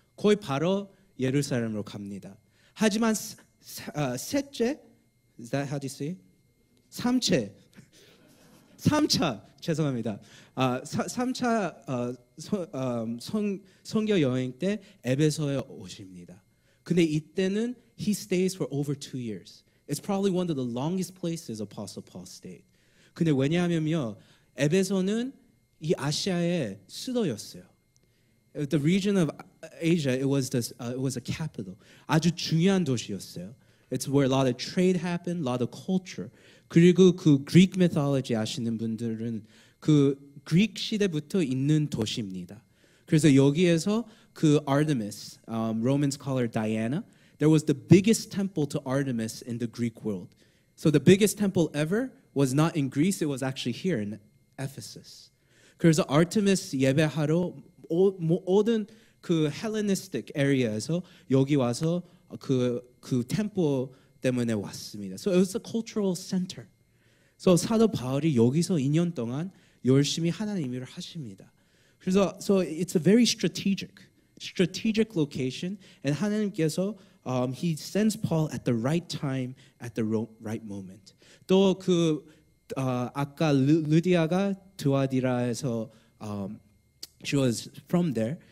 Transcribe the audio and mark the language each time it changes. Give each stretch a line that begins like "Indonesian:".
Korean: 거의 바로 예루살렘으로 갑니다. 하지만 셋째
English: is that how do you say?
Korean: 3차 죄송합니다. 3차 성경 여행 때 에베소에 오십니다. 근데 이때는
English: he stays for over 2 years. It's probably one of the longest places Apostle Paul stayed.
Korean: 근데 왜냐하면요, 에베소는 이 아시아의 수도였어요.
English: The region of Asia, it was a capital.
Korean: 아주 중요한 도시였어요.
English: It's where a lot of trade happened, a lot of culture.
Korean: 그리고 그 Greek mythology 아시는 분들은 그 Greek 시대부터 있는 도시입니다. 그래서 여기에서 그
English: Artemis, Romans call her Diana, there was the biggest temple to Artemis in the Greek world. So the biggest temple ever was not in Greece, it was actually here in Ephesus.
Korean: 그래서 Artemis 예배하러 모든 그 Hellenistic area에서 여기 와서 그 temple 때문에 왔습니다.
English: So it was a cultural center.
Korean: So 사도 바울이 여기서 2년 동안 열심히 하나님 일을 하십니다. 그래서
English: so it's a very strategic location, and
Korean: 하나님께서
English: he sends Paul at the right time, at the right moment.
Korean: 또 그 아까 루디아가 두아디라에서
English: she was from there.